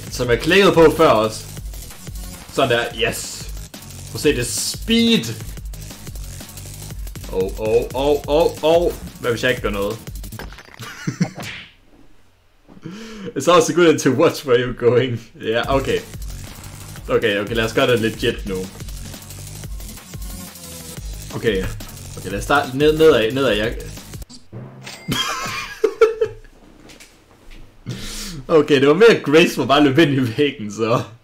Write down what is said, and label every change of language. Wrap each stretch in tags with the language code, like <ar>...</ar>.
<da>Som jeg klikkede på før også. Sådan der. Yes. Prøv at se det speed. Oh. Hvad hvis jeg ikke gør noget?</da> <en>It's also good to watch where you're going. Yeah, okay.</en> <da>Okay, lad os gøre det legit nu. Okay. Okay, lad os starte nedad. Okay, det var mere grace for bare at løbe ind i væggen, så.</da>